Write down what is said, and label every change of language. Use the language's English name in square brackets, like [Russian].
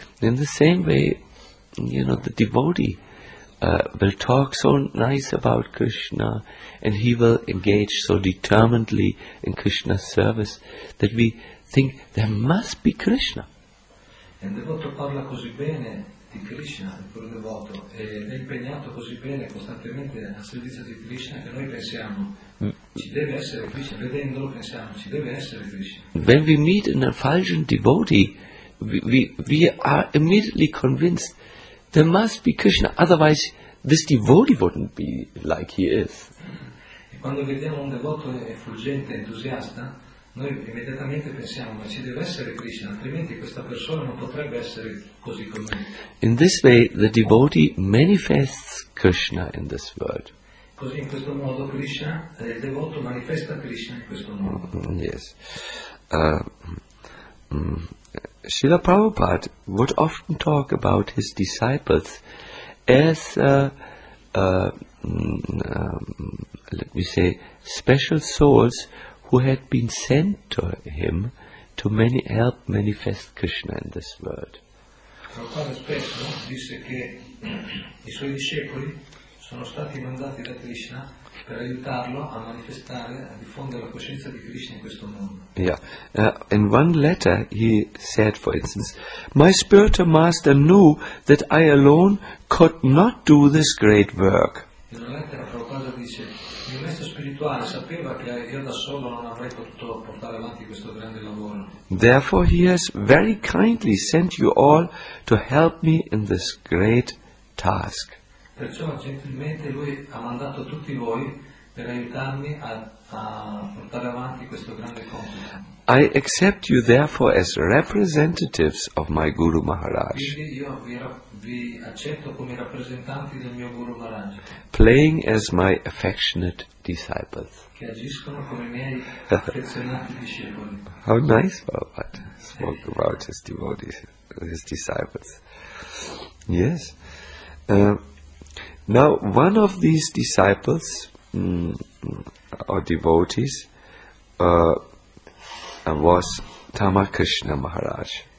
[English] In the same way, you know, the devotee will talk so nice about Krishna, and he will engage so determinedly in Krishna's service that we think there must be Krishna. [Italian] E il devoto parla così bene di Krishna, il puro devoto, e è impegnato così bene costantemente a servizio di Krishna che noi pensiamo ci deve essere Krishna, vedendolo pensiamo ci deve essere Krishna. [English] When we meet an effulgent devotee, we are immediately convinced there must be Krishna, otherwise this devotee wouldn't be like he is. [Italian] E quando vediamo un devoto effulgente, entusiasta, noi immediatamente pensiamo, ma ci deve essere Krishna, altrimenti questa persona non potrebbe essere così come me. [English] In this way the devotee manifests Krishna in this world. [Italian] Così in questo modo Krishna, il devoto manifesta Krishna in questo modo. [English] Yes. Srila Prabhupada would often talk about his disciples as, let me say, special souls who had been sent to him to help manifest Krishna in this world. [Italian] Prabhupada spesso disse che i suoi discepoli sono stati mandati da Krishna per aiutarlo a manifestare, a diffondere la coscienza di Krishna in questo mondo. [English] Yeah. In one letter he said, for instance, my spiritual master knew that I alone could not do this great work. [Italian] In una lettera Prabhupada dice, il maestro spirituale sapeva che io da solo non avrei potuto portare avanti questo grande lavoro. [English] Therefore he has very kindly sent you all to help me in this great task. [Italian] Perciò gentilmente lui ha mandato tutti voi per aiutarmi a portare avanti questo grande compito. [English] I accept you therefore as representatives of my Guru Maharaj. [Italian] Quindi io vi accetto come rappresentanti del mio Guru Maharaj. [English] Playing as my affectionate disciples. [Italian] Che agiscono come miei affezionati discepoli. [English] How nice Prabhupada spoke about his devotees, his disciples. Yes. Now, one of these disciples, or devotees, was Tamakrishna Maharaj.